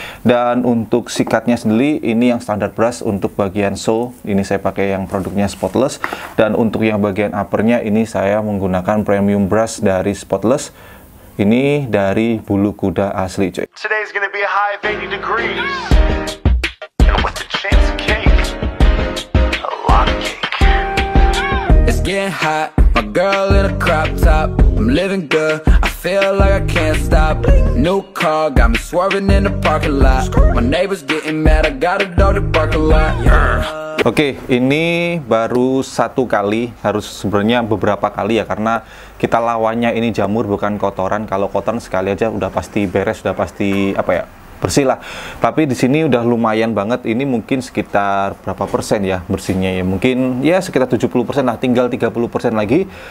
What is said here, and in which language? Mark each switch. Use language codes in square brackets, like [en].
[id] Dan untuk sikatnya sendiri ini yang standar brush untuk bagian sole, ini saya pakai yang produknya Spotless. Dan untuk yang bagian uppernya ini saya menggunakan premium brush dari Spotless. Ini dari bulu kuda asli cuy. [en] Today's gonna be a high of 80 degrees. And what's the chance of cake? A lot of cake. It's getting hot. My girl in a crop top. I'm living good. I feel like I can't stop. New car got me swerving in the parking lot. My neighbors getting mad. I got a dog that bark a lot. [id] Oke, ini baru satu kali, harus sebenarnya beberapa kali ya, karena kita lawannya ini jamur bukan kotoran. Kalau kotoran sekali aja udah pasti beres, sudah pasti apa ya, bersih lah. Tapi di sini udah lumayan banget, ini mungkin sekitar berapa persen ya bersihnya ya, mungkin ya sekitar 70% lah, tinggal 30% lagi.